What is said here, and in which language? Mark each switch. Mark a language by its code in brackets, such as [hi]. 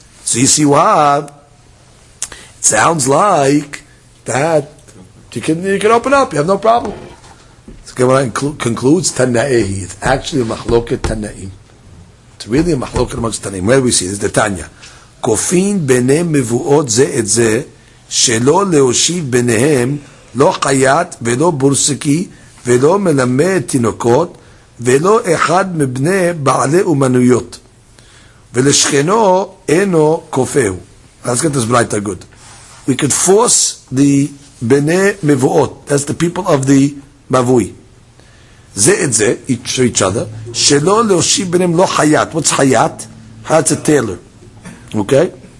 [en] So you see what? It sounds like that you can open up. You have no problem. So Gemara concludes Tanna'ehi. It's actually a machloket Tanna'im. It's really a machloket amongst Tanna'im. Where do we see this? The Tanya. [he] Kofin benem mevuot ze et ze. שלא להושיב ביניהם לא חיית ולא בורסקי ולא מלמד תינוקות ולא אחד מבני בעלי אומנויות ולשכנו אינו כופהו. [en] Let's get this right, good. We could force the בני מבואות, that's the people of the מבוי, זה את זה, each other, [he] שלא להושיב ביניהם לא חיית. [en] What's חיית? That's a tailor. Okay?